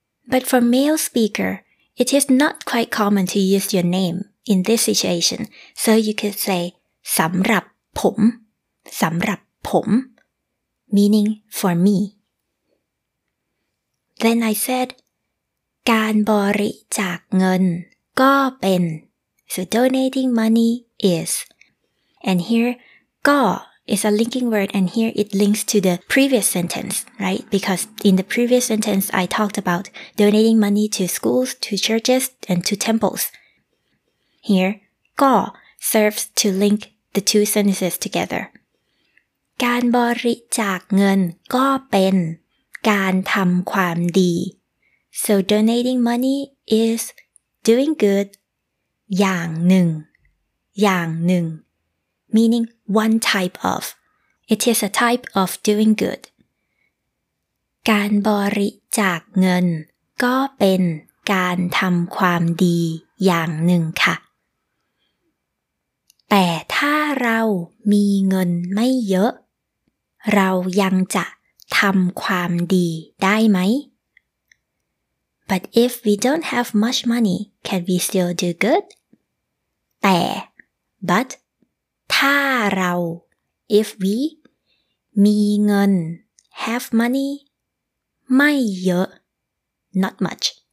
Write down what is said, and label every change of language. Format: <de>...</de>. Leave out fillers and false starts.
<en>but for male speaker it is not quite common to use your name in this situation so you could say</en> <th>สำหรับผมสำหรับผม</th> <en>meaning for meThen I said,</en> <th>การบริจาคเงินก็เป็น</th> <en>So donating money is. And here, ก็ is a linking word and here it links to the previous sentence, right? Because in the previous sentence, I talked about donating money to schools, to churches, and to temples. Here, ก็ serves to link the two sentences together.</en> <th>การบริจาคเงินก็เป็นการทำความดี</th> <en>so donating money is doing good</en> <th>อย่างหนึ่งอย่างหนึ่ง</th> <en>meaning one type of it is a type of doing good</en> <th>การบริจาคเงินก็เป็นการทำความดีอย่างหนึ่งค่ะ แต่ถ้าเรามีเงินไม่เยอะเรายังจะทำความดีได้ไหม</th> <en>But if we don't have much money, can we still do good? แต่ but</en> <th>ถ้าเรา</th> <en>if we</en> <th>มีเงิน</th> <en>have money</en> <th>ไม่เยอะ</th> <en>not much.</en>